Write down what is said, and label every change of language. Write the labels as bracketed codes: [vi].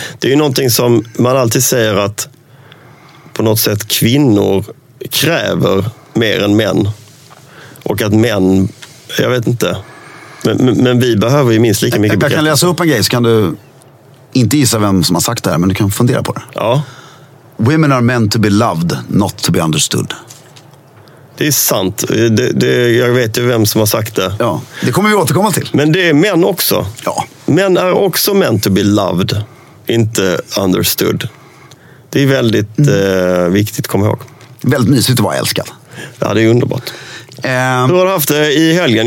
[sv] Det är ju någonting som man alltid säger att på något sätt kvinnor kräver mer än män. Och att män, jag vet inte, men vi behöver ju minst lika mycket bekräftelse. Jag kan läsa upp en grej så kan du inte gissa vem som har sagt det här, men du kan fundera på det. Ja. [en] Women are meant to be loved, not to be understood. [sv] Det är sant. Det, jag vet ju vem som har sagt det. Ja, det kommer vi återkomma till. Men det är män också. Ja. Män är också [en] meant to be loved, [sv] inte [en] understood. [sv] Det är väldigt viktigt att komma ihåg. Väldigt mysigt att vara älskad. Ja, det är underbart. Hur har du haft det i helgen?